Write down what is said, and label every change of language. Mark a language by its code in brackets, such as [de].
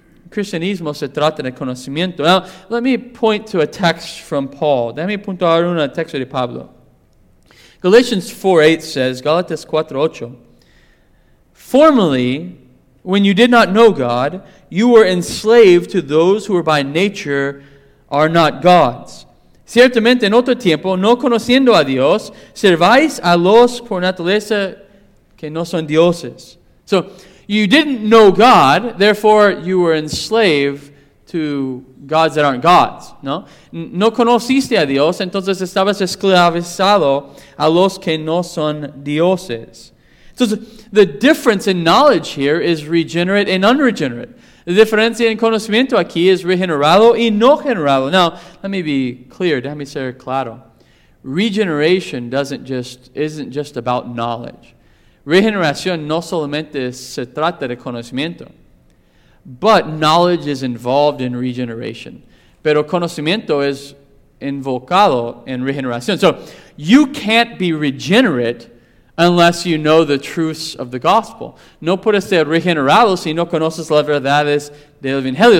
[es] Cristianismo se trata de conocimiento. [en] Now, let me point to a text from Paul. [es] Déjame apuntar un texto de Pablo. [en] Galatians 4:8 says, Galatians 4:8, formerly, when you did not know God, you were enslaved to those who were by nature are not gods. [es] Ciertamente, en otro tiempo, no conociendo a Dios, servais a los por naturaleza que no son dioses. [en] So, you didn't know God, therefore you were enslaved to gods that aren't gods, ¿no? [es] No conociste a Dios, entonces estabas esclavizado a los que no son dioses. [en] So the difference in knowledge here is regenerate and unregenerate. [es] The diferencia en conocimiento aquí es regenerado y no generado. [en] Now, let me be clear, [es] déjame ser claro. [en] Regeneration isn't just about knowledge. [es] Regeneración no solamente se trata de conocimiento, [en] but knowledge is involved in regeneration. [es] Pero conocimiento es involucrado en regeneración. [en] So, you can't be regenerate unless you know the truths of the gospel. [es] No puedes ser regenerado si no conoces las verdades del Evangelio.